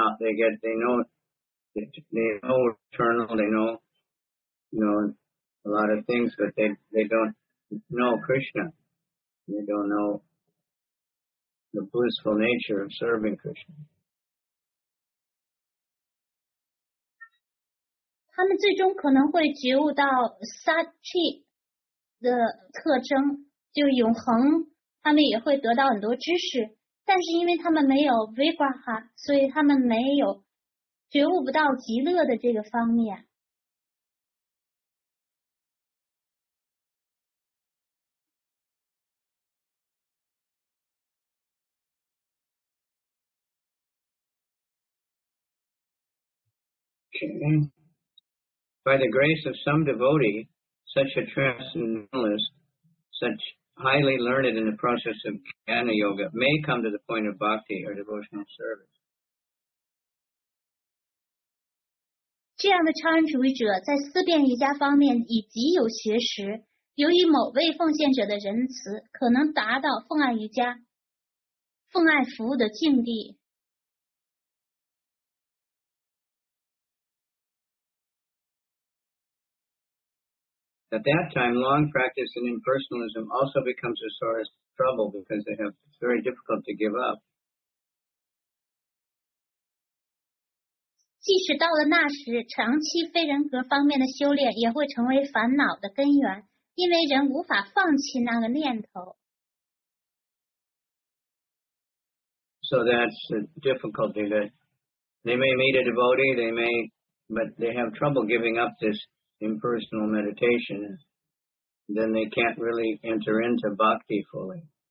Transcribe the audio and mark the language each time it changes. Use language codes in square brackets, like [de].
[en] They know eternal, they know a lot of things, but they don't know Krishna. They don't know the blissful nature of serving Krishna. [zh] 他们最终可能会觉悟到 Sat-Chit 的特征，就永恒，他们也会得到很多知识，但是因为他们没有 Vigraha, 所以他们没有觉悟不到极乐的这个方面。 [en] By the grace of some devotee, such a transcendentalist, such highly learned in the process of Jnana Yoga, may come to the point of bhakti or devotional service. [zh] 这样的超然主义者在思辨瑜伽方面已极有学识，由于某位奉献者的仁慈，可能达到奉爱瑜伽、奉爱服务的境地。 [en] At that time, long practice in impersonalism also becomes a source of trouble because they have very difficult to give up. [zh] 即使到了那时，长期非人格方面的修炼也会成为烦恼的根源，因为人无法放弃那个念头。 [en] So that's the difficulty that they may meet a devotee, but they have trouble giving up this impersonal meditation, then they can't really enter into bhakti fully.